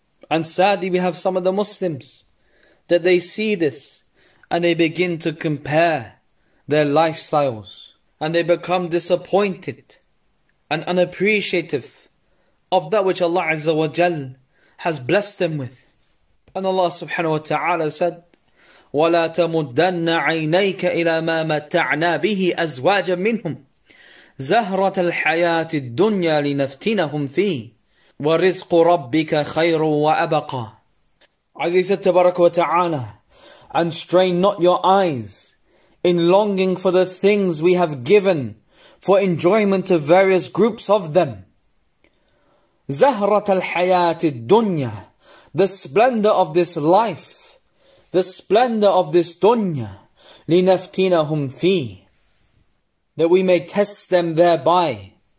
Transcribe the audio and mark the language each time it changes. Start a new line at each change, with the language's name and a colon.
English: And sadly, we have some of the Muslims that they see this and they begin to compare their lifestyles and they become disappointed and unappreciative of that which Allah Azza wa Jal has blessed them with. And Allah subhanahu wa ta'ala said,
Arabic: وَلَا تَمُدَّنَّ عَيْنَيْكَ إِلَى مَا مَتَّعْنَا بِهِ أَزْوَاجًا مِّنْهُمْ زَهْرَةَ الْحَيَاةِ الدُّنْيَا لِنَفْتِنَهُمْ فِيهِ وَرِزْقُ رَبِّكَ خَيْرٌ وَأَبَقَى.
English: As he said tabarak wa ta'ala, and strain not your eyes in longing for the things we have given for enjoyment to various groups of them.
Arabic: زَهْرَةَ الْحَيَاةِ الدُّنْيَا,
English: the splendor of this life, the splendor of this dunya,
Arabic: لِنَفْتِنَهُمْ فِيهِ,
English: that we may test them thereby.